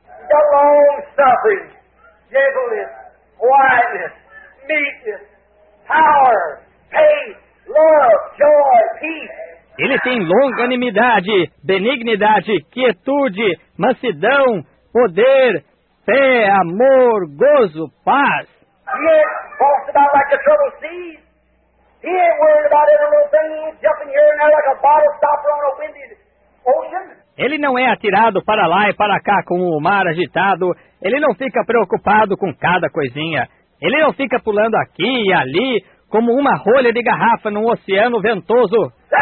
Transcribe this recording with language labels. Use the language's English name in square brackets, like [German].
[English] The long-suffering, gentleness, quietness, meekness, power, faith, love, joy, peace. [Portuguese] Ele tem longanimidade, benignidade, quietude, mansidão, poder, fé, amor, gozo, paz. [English] He talks about like the troubled seas. He ain't worried about every little thing jumping here and there like a bottle stopper on a windy ocean. [Portuguese] Ele não é atirado para lá e para cá com o mar agitado. Ele não fica preocupado com cada coisinha. Ele não fica pulando aqui e ali como uma rolha de garrafa num oceano ventoso.